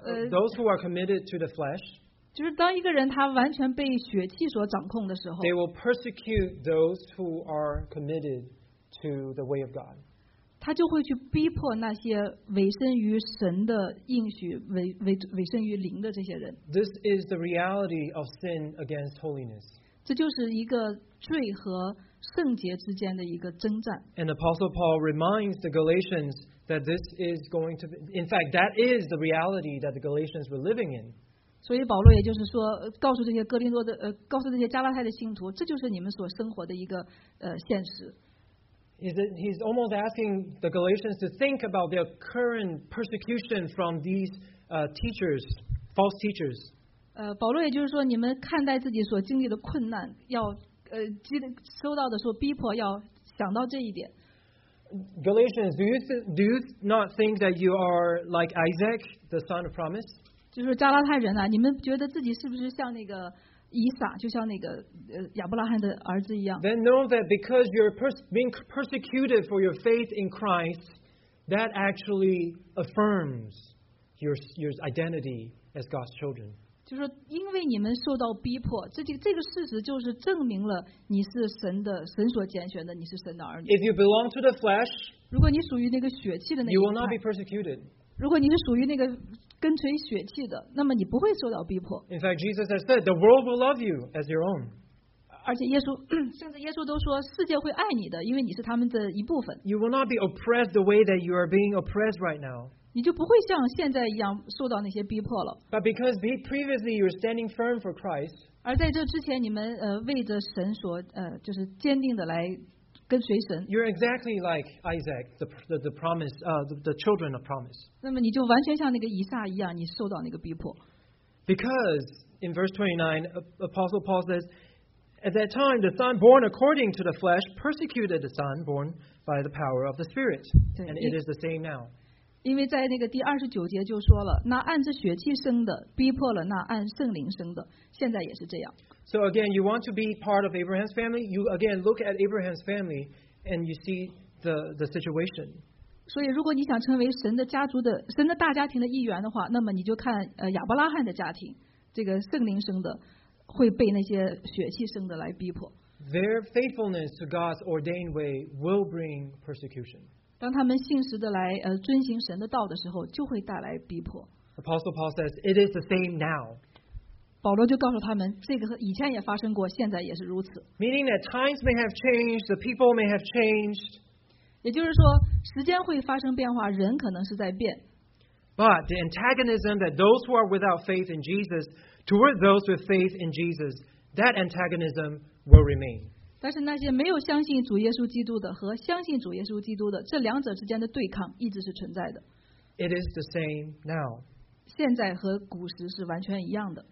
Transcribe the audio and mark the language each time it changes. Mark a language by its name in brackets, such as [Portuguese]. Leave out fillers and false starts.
[English] those who are committed to the flesh, [Chinese] 就是当一个人他完全被血气所掌控的时候 [English] they will persecute those who are committed to the way of God. [Chinese] 他就会去逼迫那些委身于神的应许委身于灵的这些人 [English] This is the reality of sin against holiness. [Chinese] 这就是一个罪和圣洁之间的一个征战。 [English] And Apostle Paul reminds the Galatians that this is going to be, in fact, that is the reality that the Galatians were living in. [Chinese] 所以保罗也就是说，告诉这些哥林多的，告诉这些加拉太的信徒，这就是你们所生活的一个现实。 [English] He's almost asking the Galatians to think about their current persecution from these teachers, false teachers. [Chinese] 保罗也就是说，你们看待自己所经历的困难要。收到的时候逼迫要想到这一点。 [English] Galatians, do you not think that you are like Isaac, the son of promise? [Chinese] 就是加拉太人啊，你们觉得自己是不是像那个以撒，就像那个亚伯拉罕的儿子一样？ [English] Then know that because you're being persecuted for your faith in Christ, that actually affirms your identity as God's children. [Chinese] 就是因为你们受到逼迫，这个事实就是证明了你是神的，神所拣选的，你是神的儿女。 [English] If you belong to the flesh, [Chinese] 如果你属于那个血气的那一派， [English] you will not be persecuted. [Chinese] 如果你是属于那个跟随血气的，那么你不会受到逼迫。 [English] In fact, Jesus has said, "The world will love you as your own." [Chinese] 而且耶稣，甚至耶稣都说，世界会爱你的，因为你是他们的一部分。 [English] You will not be oppressed the way that you are being oppressed right now. [Chinese] 你就不会像现在一样受到那些逼迫了。 [English] But because previously you were standing firm for Christ. [Chinese] 而在这之前，你们为着神所就是坚定的来跟随神。 [English] You're exactly like Isaac, the promise, the children of promise. [Chinese] 那么你就完全像那个以撒一样，你受到那个逼迫。 [English] Because in verse 29, Apostle Paul says, "At that time, the son born according to the flesh persecuted the son born by the power of the Spirit, and it is the same now." [Chinese] 因为在那个第二十九节就说了，那按着血气生的逼迫了那按圣灵生的，现在也是这样。 [English] So again, you want to be part of Abraham's family? You again look at Abraham's family and you see the situation. [Chinese] 所以如果你想成为神的家族的，神的大家庭的一员的话，那么你就看亚伯拉罕的家庭，这个圣灵生的会被那些血气生的来逼迫。 [English] Their faithfulness to God's ordained way will bring persecution. [Chinese] 当他们信实的来遵行神的道的时候，就会带来逼迫。 [English] Apostle Paul says, "It is the same now." [Chinese] 保罗就告诉他们，这个以前也发生过，现在也是如此。 [English] Meaning that times may have changed, the people may have changed. [Chinese] 也就是说，时间会发生变化，人可能是在变。 [English] But the antagonism that those who are without faith in Jesus toward those with faith in Jesus, that antagonism will remain. [Chinese] 但是那些没有相信主耶稣基督的和相信主耶稣基督的，这两者之间的对抗一直是存在的。 [English] It is the same now. [Chinese] 现在和古时是完全一样的。